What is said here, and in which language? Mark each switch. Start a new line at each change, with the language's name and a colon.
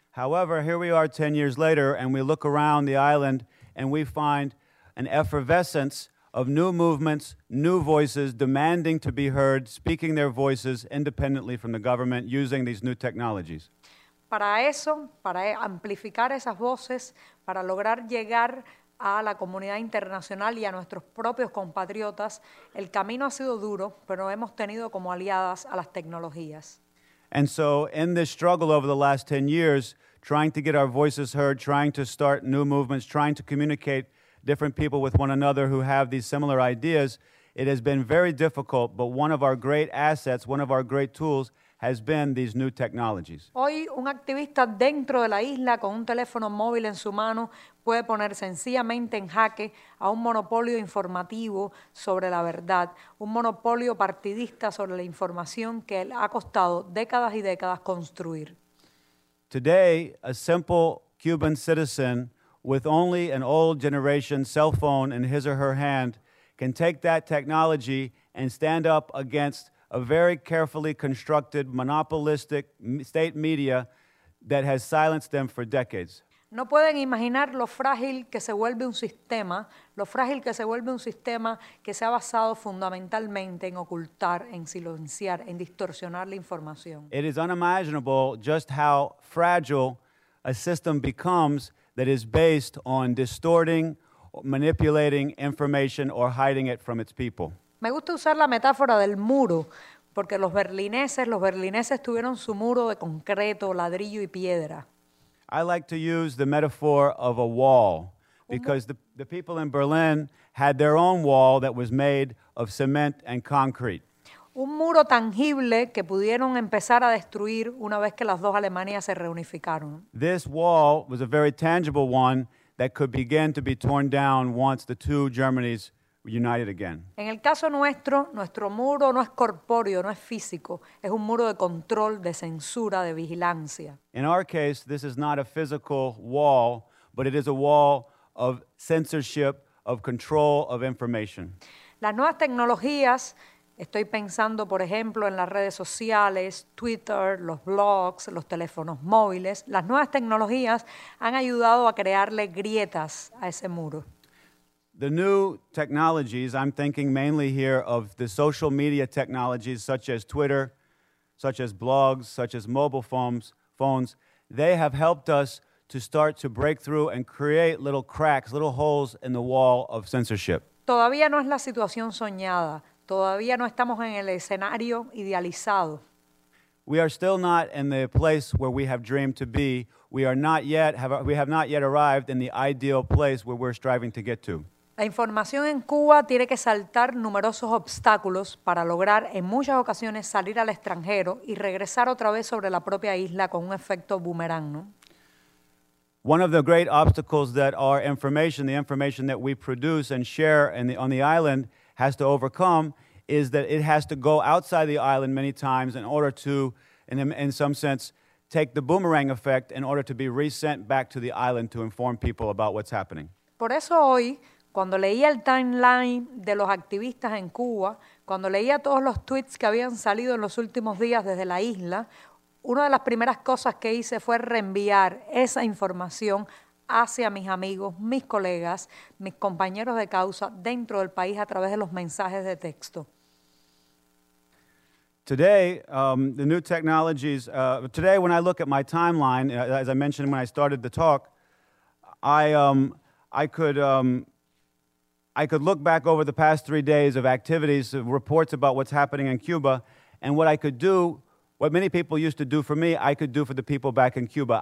English: However, here we are 10 years later, and we look around the island, and we find an effervescence of new movements, new voices demanding to be heard, speaking their voices independently from the government using these new technologies.
Spanish: Para eso, para amplificar esas voces, para lograr llegar a la comunidad internacional y a nuestros propios compatriotas, el camino ha sido duro, pero hemos tenido como aliadas a las tecnologías.
English: And so, in this struggle over the last 10 years, trying to get our voices heard, trying to start new movements, trying to communicate different people with one another who have these similar ideas, it has been very difficult, but one of our great assets, one of our great tools, has been these new technologies.
Spanish: Hoy, un activista dentro de la isla con un teléfono móvil en su mano puede poner sencillamente en jaque a un monopolio informativo sobre la verdad, un monopolio partidista sobre la información que ha costado décadas y décadas construir.
English: Today, a simple Cuban citizen with only an old generation cell phone in his or her hand can take that technology and stand up against a very carefully constructed, monopolistic state media that has silenced them for decades.
Spanish: No pueden imaginar lo frágil que se vuelve un sistema, lo frágil que se vuelve un sistema que se ha basado fundamentalmente en ocultar, en silenciar, en distorsionar la información.
English: It is unimaginable just how fragile a system becomes that is based on distorting, manipulating information or hiding it from its people.
Spanish: Me gusta usar la metáfora del muro, porque los berlineses tuvieron su muro de concreto, ladrillo y piedra.
English: I like to use the metaphor of a wall, because the people in Berlin had their own wall that was made of cement and concrete.
Spanish: Un muro tangible que pudieron empezar a destruir una vez que las dos Alemanias se reunificaron.
English: This wall was a very tangible one that could begin to be torn down once the two Germanys united again.
Spanish: En el caso nuestro, nuestro muro no es corpóreo, no es físico. Es un muro de control, de censura, de vigilancia.
English: In our case, this is not a physical wall, but it is a wall of censorship, of control of information.
Spanish: Las nuevas tecnologías, estoy pensando, por ejemplo, en las redes sociales, Twitter, los blogs, los teléfonos móviles. Las nuevas tecnologías han ayudado a crearle grietas a ese muro.
English: The new technologies, I'm thinking mainly here of the social media technologies such as Twitter, such as blogs, such as mobile phones, they have helped us to start to break through and create little cracks, little holes in the wall of censorship.
Spanish: Todavía no es la situación soñada. Todavía no estamos en el escenario idealizado.
English: We are still not in the place where we have dreamed to be. We have not yet arrived in the ideal place where we're striving to get to.
Spanish: La información en Cuba tiene que saltar numerosos obstáculos para lograr en muchas ocasiones salir al extranjero y regresar otra vez sobre la propia isla con un efecto boomerang, ¿no?
English: One of the great obstacles that our information, the information that we produce and share on the island, has to overcome is that it has to go outside the island many times in order to, in some sense, take the boomerang effect in order to be resent back to the island to inform people about what's happening.
Spanish: Por eso hoy, cuando leí el timeline de los activistas en Cuba, cuando leía todos los tweets que habían salido en los últimos días desde la isla, una de las primeras cosas que hice fue reenviar esa información hacia mis amigos, mis colegas, mis compañeros de causa dentro del país a través de los mensajes de texto.
English: Today, the new technologies, today when I look at my timeline, as I mentioned when I started the talk, I could look back over the past 3 days of activities, of reports about what's happening in Cuba, and what I could do, what many people used to do for me, I could do for the people back in Cuba.